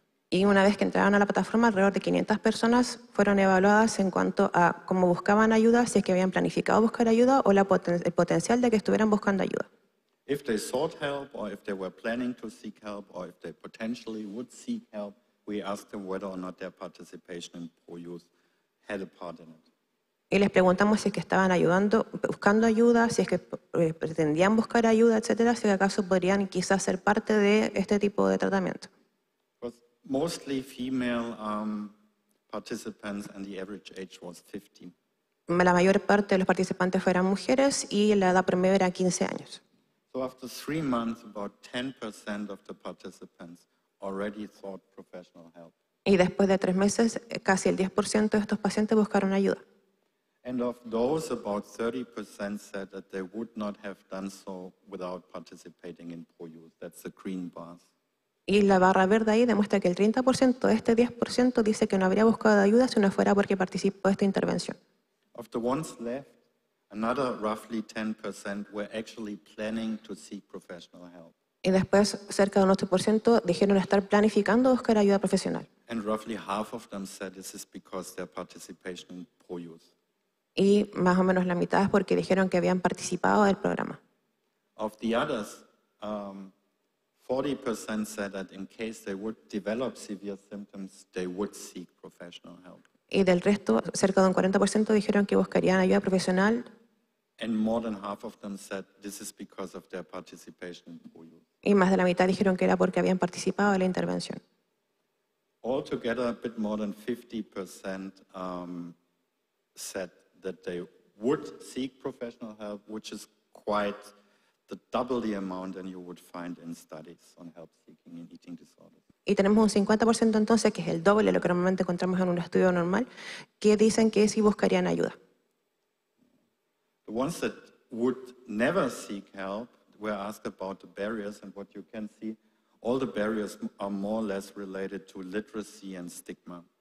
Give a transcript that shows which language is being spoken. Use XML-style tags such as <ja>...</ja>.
<es>Y una vez que entraron a la plataforma, alrededor de 500 personas fueron evaluadas en cuanto a cómo buscaban ayuda, si es que habían planificado buscar ayuda o el potencial de que estuvieran buscando ayuda.</es> <en>If they sought help, or if they were planning to seek help, or if they potentially would seek help, we asked them whether or not their participation in ProYouth had a part in it.</en> <es>Y les preguntamos si es que estaban ayudando, buscando ayuda, si es que pretendían buscar ayuda, etcétera, si acaso podrían quizás ser parte de este tipo de tratamiento.</es> <en>But mostly female participants, and the average age was 15.</en> <es>La mayor parte de los participantes fueron mujeres y la edad promedio era 15 años.</es> <en>So after 3 months, about 10% of the participants already sought professional help.</en> <es>Y después de 3 meses, casi el 10% de estos pacientes buscaron ayuda.</es> <en>And of those, about 30% said that they would not have done so without participating in ProYouth. That's the green bars.</en> <es>Y la barra verde ahí demuestra que el 30% de este 10% dice que no habría buscado ayuda si no fuera porque participó de esta intervención.</es> <en>Of the ones left, another roughly 10% were actually planning to seek professional help.</en> <es>Y después, cerca de un 8% dijeron estar planificando buscar ayuda profesional.</es> <en>And roughly half of them said this is because their participation in ProYouth.</en> <es>Y más o menos la mitad es porque dijeron que habían participado del programa.</es> <en>Of the others, 40% said that in case they would develop severe symptoms, they would seek professional help.</en> <es>Y del resto, cerca de un 40% dijeron que buscarían ayuda profesional.</es> <en>And more than half of them said this is because of their participation in ProYouth.</en> <es>Y más de la mitad dijeron que era porque habían participado en la intervención.</es> <en>Altogether, a bit more than 50% said that they would seek professional help, which is quite the double the amount than you would find in studies on help seeking in eating disorders.</en> <es>Y tenemos un 50% entonces, que es el doble de lo que normalmente encontramos en un estudio normal, que dicen que sí buscarían ayuda.</es> <en>The ones that would never seek help were asked about the barriers, and what you can see, all the barriers are more or less related to literacy and stigma.</en>